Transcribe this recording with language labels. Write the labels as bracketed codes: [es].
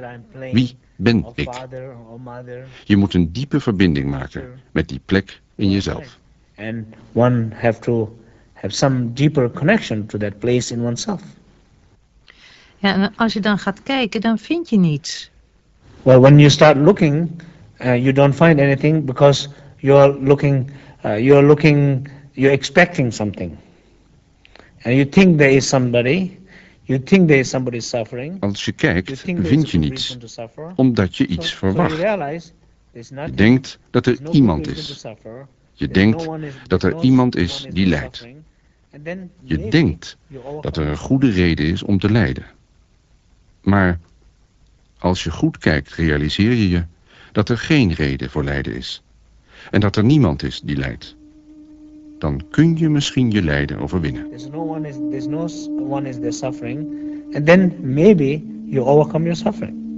[nl] Wie ben ik? Je moet een diepe verbinding maken met die plek in jezelf. [en] En one have to have some deeper connection to that place in oneself. [nl] Ja, en als je dan gaat kijken, dan vind je niets. [en] Well, when you start looking, you don't find anything because you are looking, you're expecting something. And you think there is somebody. You think there is somebody suffering. [nl] Als je kijkt, vind je niets, omdat je iets verwacht. Je denkt dat er iemand is. Je denkt dat er iemand is die lijdt. Je denkt dat er een goede reden is om te lijden. Maar als je goed kijkt, realiseer je je dat er geen reden voor lijden is. En dat er niemand is die lijdt. Dan kun je misschien je lijden overwinnen. [en] There's no one is suffering, and then maybe you overcome your suffering.